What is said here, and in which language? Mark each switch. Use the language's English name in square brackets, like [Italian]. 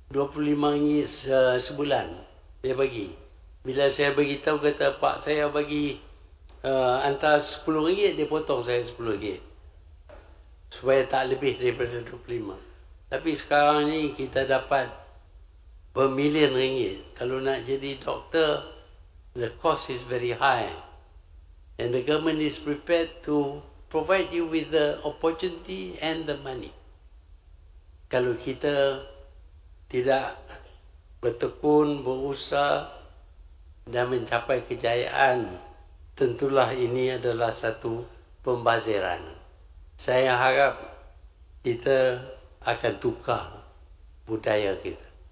[Malay] RM25 sebulan dia bagi. Bila saya beritahu, kata pak saya bagi antara RM10, dia potong saya RM10. Supaya tak lebih daripada RM25. Tapi sekarang ni kita dapat bermilion ringgit. Kalau nak jadi doktor, [English] the cost is very high. And the government is prepared to provide you with the opportunity and the money. [Malay] Kalau kita tidak bertekun, berusaha dan mencapai kejayaan, tentulah ini adalah satu pembaziran. Saya harap kita akan tukar budaya kita.